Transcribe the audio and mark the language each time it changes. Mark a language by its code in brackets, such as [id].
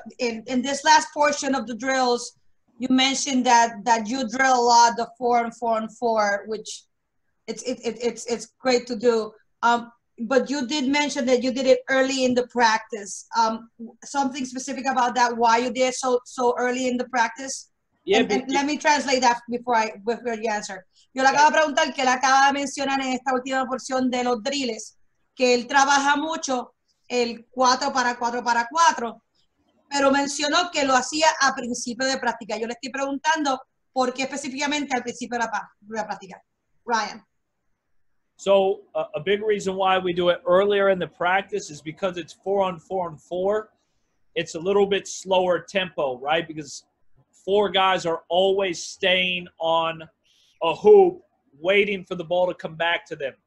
[en] In this last portion of the drills, you mentioned that you drill a lot the 4-on-4-on-4, which it's great to do. But you did mention that you did it early in the practice. Something specific about that, why you did it so early in the practice? Yeah, let me translate that before you answer. [es] Yo le acabo de preguntar que él acaba de mencionar en esta última porción de los drills que él trabaja mucho el 4-on-4-on-4, pero mencionó que lo hacía a principio de práctica. Yo le estoy preguntando por qué específicamente al principio de la práctica. [en] Ryan. So a big reason why we do it earlier in the practice is because it's 4-on-4-on-4. It's a little bit slower tempo, right? Because four guys are always staying on a hoop waiting for the ball to come back to them.